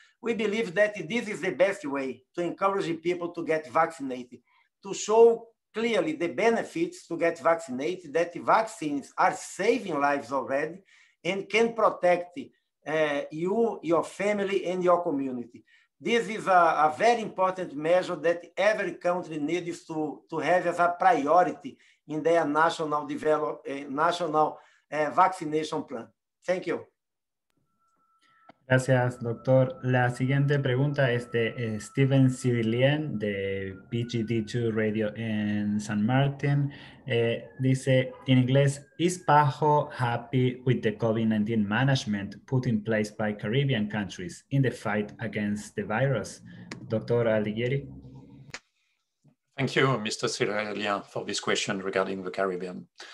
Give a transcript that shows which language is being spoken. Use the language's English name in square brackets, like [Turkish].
[English] We believe that this is the best way to encourage people to get vaccinated, to show clearly the benefits to get vaccinated, that the vaccines are saving lives already and can protect you, your family, and your community. This is a very important measure that every country needs to have as a priority in their national vaccination plan. Thank you. [Spanish] Gracias, doctor. La siguiente pregunta es de Steven Civilian de PGD2 Radio en San Martín. Dice, en inglés, [English] is PAHO happy with the COVID-19 management put in place by Caribbean countries in the fight against the virus? [Spanish] Doctor Alighieri. [English] Thank you, Mr. Civilian, for this question regarding the Caribbean.